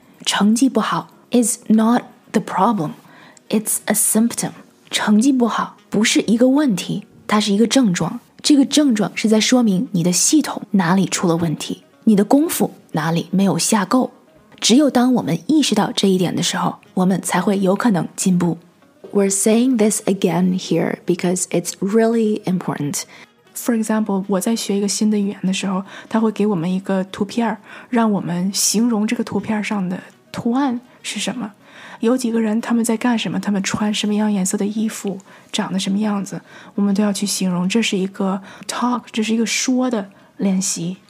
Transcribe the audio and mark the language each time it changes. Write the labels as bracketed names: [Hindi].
[Chinese] 成绩不好 [English] is not the problem, it's a symptom. [Chinese] 成绩不好不是一个问题，它是一个症状。这个症状是在说明你的系统哪里出了问题，你的功夫哪里没有下够。只有当我们意识到这一点的时候，我们才会有可能进步。 [English] We're saying this again here because it's really important. For example, [Chinese] 我在学一个新的语言的时候，他会给我们一个图片，让我们形容这个图片上的图案是什么，有几个人，他们在干什么，他们穿什么样颜色的衣服，长得什么样子，我们都要去形容。这是一个 talk, 这是一个说的练习。